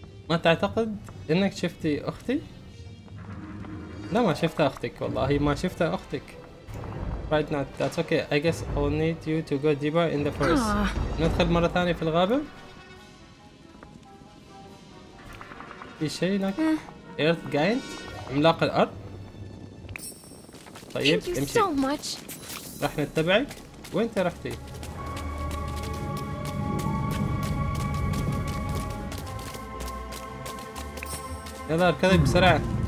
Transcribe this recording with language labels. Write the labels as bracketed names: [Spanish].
[Arabic] ما تعتقد إنك شفتي أختي؟ لا ما شفتها أختك والله ما شفتها أختك. [English] Right now that's okay. I guess I'll need you to go deeper in the forest. [Arabic] ندخل مرة ثانية في الغابة؟ في شيء لك؟ Earth Giant عملاق الأرض. طيب امشي. [English] Thank you so much. [Arabic] راح نتبعك. وين ترحتي؟ يلا اركضي بسرعة.